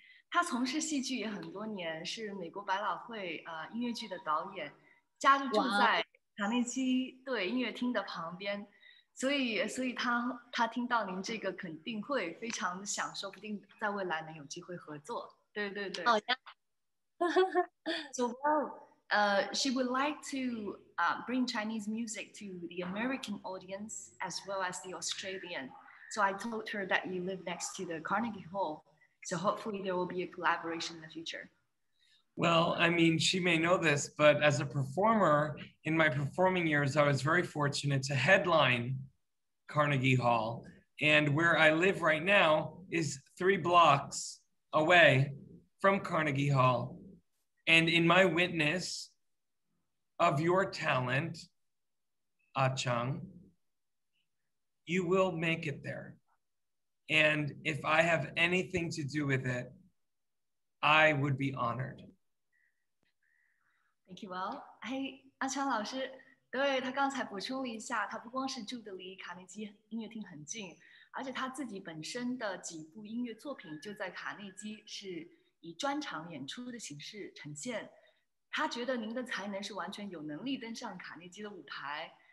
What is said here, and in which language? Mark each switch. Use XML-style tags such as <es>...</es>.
<zh>他从事戏剧也很多年，是美国百老汇音乐剧的导演，家就住在卡内基对音乐厅的旁边，所以他听到您这个肯定会非常想，说不定在未来能有机会合作。对对对。好呀。</zh> <en>So well, she would like to bring Chinese music to the American audience as well as the Australian. So I told her that you live next to the Carnegie Hall. So hopefully there will be a collaboration in the future. Well, I mean, she may know this, but as a performer in my performing years, I was very fortunate to headline Carnegie Hall. And where I live right now is 3 blocks away from Carnegie Hall. And in my witness of your talent, Aqiang, you will make it there. And if I have anything to do with it, I would be honored. Thank you. Well, hey,</en> <zh>Aqiang 老师，对，他刚才补充了一下，他不光是住得离卡内基音乐厅很近，而且他自己本身的几部音乐作品就在卡内基是以专场演出的形式呈现。他觉得您的才能是完全有能力登上卡内基的舞台。</zh>